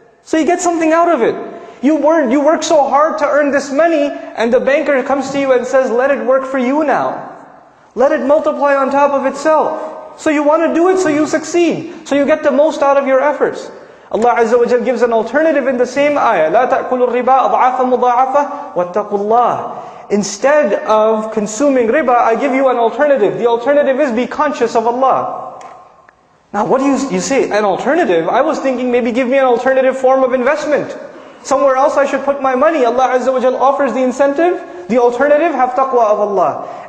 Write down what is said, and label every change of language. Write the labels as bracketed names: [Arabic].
[English] So you get something out of it. You work so hard to earn this money, and the banker comes to you and says, let it work for you now. Let it multiply on top of itself. So you want to do it so you succeed. So you get the most out of your efforts. Allah Azza wa Jal gives an alternative in the same ayah. [Arabic] لا تأكلوا الربا أضعافا مضاعفا واتقوا الله. [English] Instead of consuming riba, I give you an alternative. The alternative is be conscious of Allah. Now what do you say, an alternative? I was thinking maybe give me an alternative form of investment. Somewhere else I should put my money. Allah Azza wa Jal offers the incentive. The alternative, have taqwa of Allah.